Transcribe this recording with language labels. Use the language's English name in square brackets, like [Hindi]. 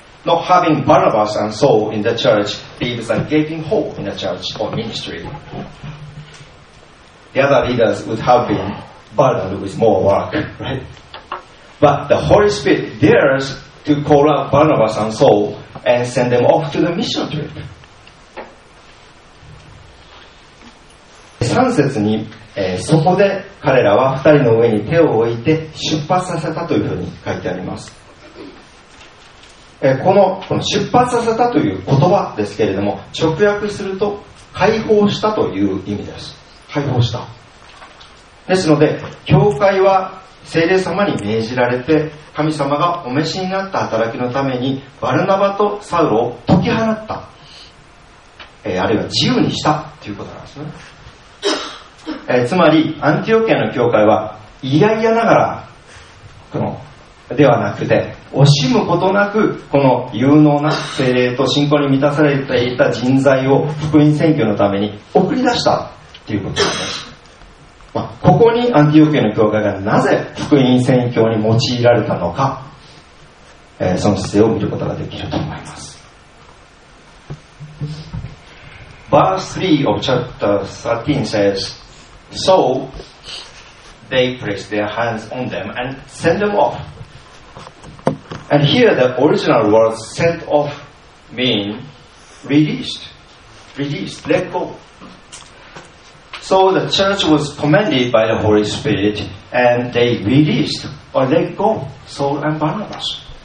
[English] Not having Barnabas and Saul in the church leaves a gaping hole in the church or ministry. The other leaders would have been burdened with more work, right? But the Holy Spirit dares to call out Barnabas and Saul and send them off to the mission trip. [Japanese] 3節に、そこで彼らは2人の上に手を置いて出発させたというふうに書いてあります。この出発させたという言葉ですけれども、直訳すると解放したという意味です。解放した。ですので、教会は聖霊様に命じられて、神様がお召しになった働きのためにバルナバとサウロを解き放った、あるいは自由にしたということなんですね。つまりアンティオキアの教会は、いやいやながらこのではなくて、惜しむことなく、この有能な聖霊と信仰に満たされていた人材を福音宣教のために送り出したということなんです。ここにアンティオキアの教会がなぜ福音宣教に用いられたのか、その姿勢を見ることができると思います。 [English] Verse 3 of chapter 13 says, So they placed their hands on them and sent them off. And here the original word sent off means released, let goSo the church was commanded by the Holy Spirit, and they released or let go Saul and Barnabas.